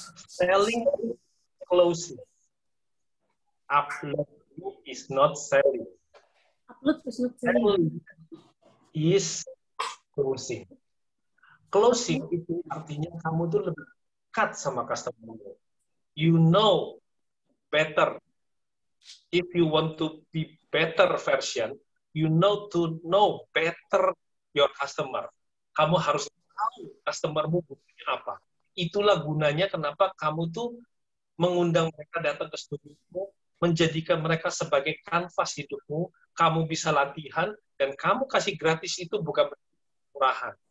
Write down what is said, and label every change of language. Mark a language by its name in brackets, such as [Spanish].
[English] Selling is closing. Uploading is not selling. Upload is not selling. Selling is closing. [Indonesian] Closing itu artinya kamu tuh lebih dekat sama customer. [English] You know better. If you want to be better version, you know to know better your customer. [Indonesian] Kamu harus tahu customermu butuhnya apa. Itulah gunanya kenapa kamu tuh mengundang mereka datang ke studiomu, menjadikan mereka sebagai kanvas hidupmu, kamu bisa latihan, dan kamu kasih gratis itu bukan murahan.